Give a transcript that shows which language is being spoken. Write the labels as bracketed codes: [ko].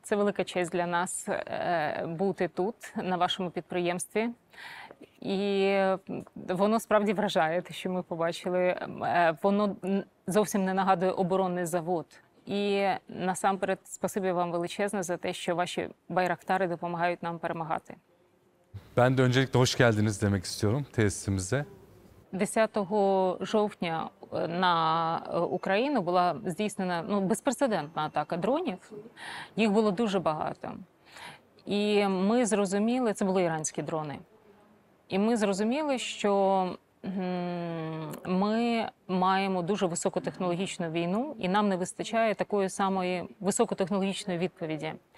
[uk] Це велика честь для нас бути тут, на вашому підприємстві. І воно справді вражає, те, що ми побачили. Воно зовсім не нагадує оборонний завод. І насамперед, спасибі вам величезне за те, що ваші байрактари допомагають нам перемагати. [tr] Ben de öncelikle hoş geldiniz demek istiyorum tesisimize. [uk] 10 жовтня на Україну була здійснена безпрецедентна атака дронів. Їх було дуже багато. І ми зрозуміли, це були іранські дрони. І ми зрозуміли, що ми маємо дуже високотехнологічну війну, і нам не вистачає такої самої високотехнологічної відповіді.